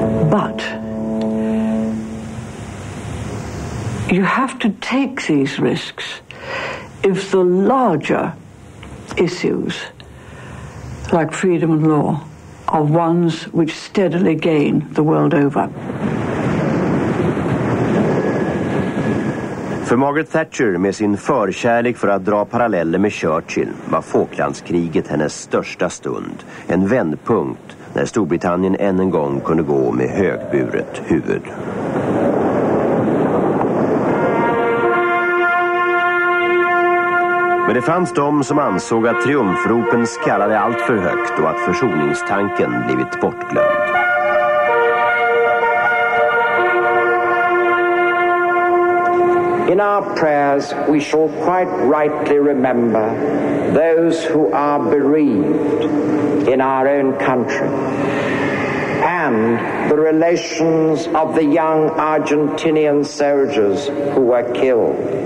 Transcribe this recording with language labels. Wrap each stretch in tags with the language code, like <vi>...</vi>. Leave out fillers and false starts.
<en>But you have to take these risks if the larger issues, like freedom and law, are ones which steadily gain the world over.</en> <sv>För Margaret Thatcher, med sin förkärlek för att dra paralleller med Churchill, var Falklandskriget hennes största stund. En vändpunkt när Storbritannien än en gång kunde gå med högburet huvud. Men det fanns de som ansåg att triumfropen skallade allt för högt och att försoningstanken blivit bortglömd.</sv> <en>In our prayers, we shall quite rightly remember those who are bereaved in our own country and the relations of the young Argentinian soldiers who were killed.</en>